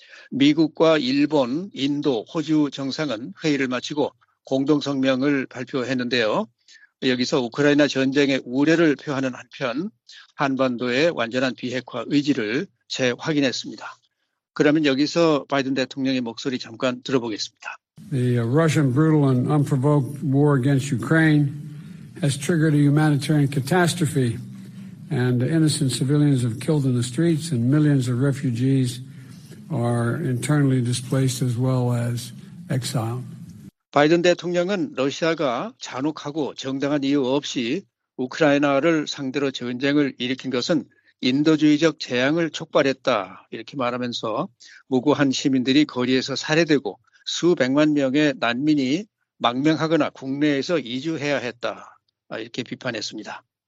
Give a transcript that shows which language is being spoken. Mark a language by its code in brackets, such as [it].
[ko] 미국과 일본, 인도, 호주 정상은 회의를 마치고 공동성명을 발표했는데요. 여기서 우크라이나 전쟁의 우려를 표하는 한편 한반도의 완전한 비핵화 의지를 재확인했습니다. 그러면 여기서 바이든 대통령의 목소리 잠깐 들어보겠습니다. [en] The Russian brutal and unprovoked war against Ukraine has triggered a humanitarian catastrophe and innocent civilians have killed in the streets and millions of refugees are internally displaced as well as exiled. [ko] 바이든 대통령은 러시아가 잔혹하고 정당한 이유 없이 우크라이나를 상대로 전쟁을 일으킨 것은 인도주의적 재앙을 촉발했다 이렇게 말하면서 무고한 시민들이 거리에서 살해되고 수백만 명의 난민이 망명하거나 국내에서 이주해야 했다 이렇게 비판했습니다.